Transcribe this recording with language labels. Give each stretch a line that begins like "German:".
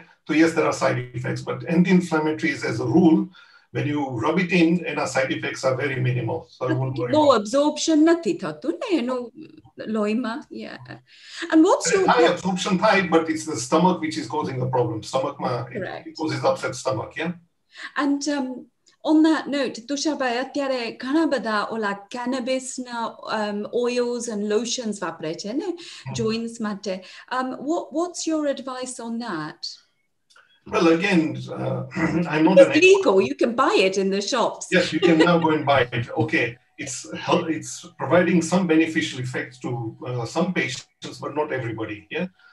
English: Yes, there are side effects, but anti-inflammatories as a rule, when you rub it in, and our side effects are very minimal. So I won't worry. And what's your high absorption type, but it's the stomach which is causing the problem. Stomach ma, it causes upset stomach, yeah. And On that note,
Gujarati: Tusharbhai અત્યારે ઘણા બધા ઓલા cannabis ના
English: oils and lotions
Gujarati: વાપરે છે ને joints માટે.
English: What's your advice on that? Well, again, I'm not an expert. It's legal. You can buy it in the shops. Yes, you can now go and buy it. Okay. It's providing some beneficial effects to some patients, but not everybody. Yeah.